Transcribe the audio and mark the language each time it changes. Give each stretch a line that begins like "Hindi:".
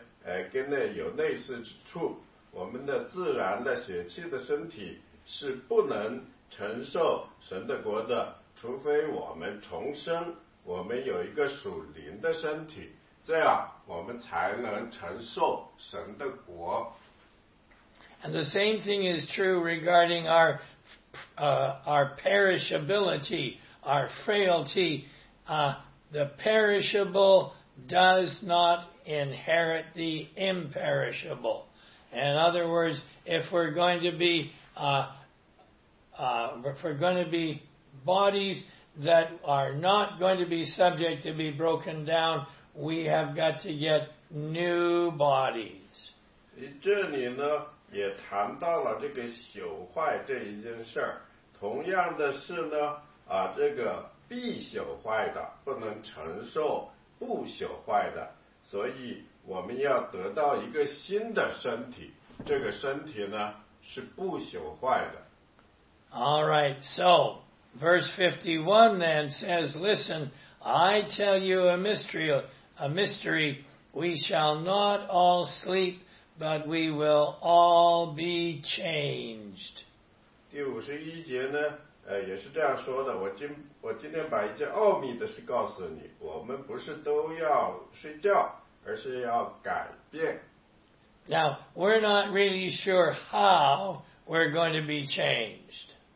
Chinese: 呃, 跟那有类似之处, 我们的自然的血气的身体, 是不能承受神的国的, 除非我们重生, 我们有一个属灵的身体, 这样我们才能承受神的国。
English: And the same thing is true regarding our perishability, our frailty. The perishable does not inherit the imperishable. In other words, if we're going to be bodies that are not going to be subject to be broken down, we have got to get new bodies.
Chinese: 这里呢, 也谈到了这个朽坏这一件事儿。同样的是呢, 啊, 这个必朽坏的, 不能承受不朽坏的, 所以我们要得到一个新的身体, 这个身体呢, 是不朽坏的。
English: All right, so, verse 51 then says, listen, I tell you a mystery, we shall not all sleep, but we will all be changed.
Chinese: 第51节呢, 也是这样说的, 我今天把一件奥秘的事告诉你, 我们不是都要睡觉, 而是要改变。
English: Now, we're not really sure how we're going to be changed.